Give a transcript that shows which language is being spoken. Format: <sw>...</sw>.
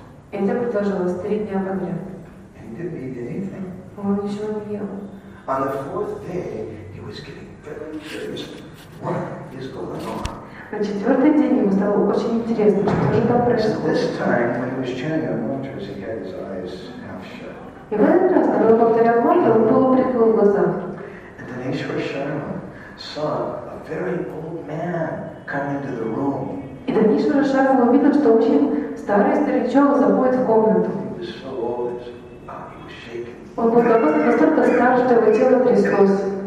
<ru>Это продолжалось 3 дня подряд. Он ничего не ел.</ru> <en>On the fourth day, he was getting very curious. What is going on?</en> <ru>На четвертый день ему стало очень интересно, что же там происходит.</ru> <en>This time, when he was chanting the mantras, he had his eyes half shut.</en> <ru>И в этот раз, когда он повторял мантру, он полуприкрыл глаза.</ru> <en>And Daneshwar Sharma saw a very old man come into the room.</en> <ru>И Даниэшвар Шарма увидел, что очень старый старичок заходит в комнату.</ru> <en>He was so old, his body was shaking.</en> <ru>Он был настолько стар, что его тело тряслось.</ru>